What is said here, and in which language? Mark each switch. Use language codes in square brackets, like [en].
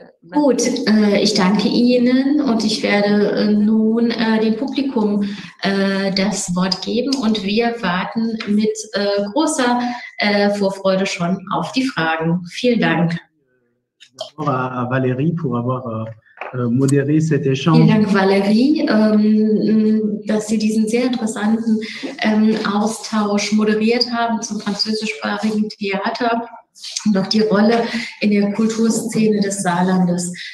[de] Gut, ich danke Ihnen und ich werde nun dem Publikum das Wort geben und wir warten mit großer Vorfreude schon auf die Fragen. Vielen Dank. [fr] À Valérie pour avoir modéré cet échange. [de] Vielen Dank, Valérie, dass Sie diesen sehr interessanten Austausch moderiert haben zum französischsprachigen Theater und auch die Rolle in der Kulturszene des Saarlandes.